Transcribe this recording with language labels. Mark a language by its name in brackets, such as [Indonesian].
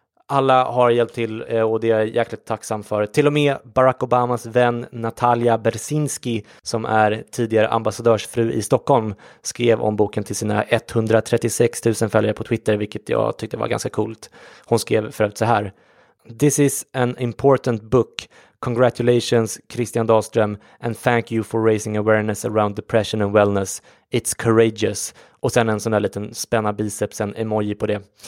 [Swedish] Alla har hjälpt till och det är jag jäkligt tacksam för. Till och med Barack Obamas vän Natalia Bersinski, som är tidigare ambassadörsfru i Stockholm, skrev om boken till sina 136 000 följare på Twitter, vilket jag tyckte var ganska coolt. Hon skrev förut så här: [English] "This is an important book. Congratulations Christian Dahlström and thank you for raising awareness around depression and wellness. It's courageous." [Swedish] Och sen en sån där liten spänna biceps, en emoji på det.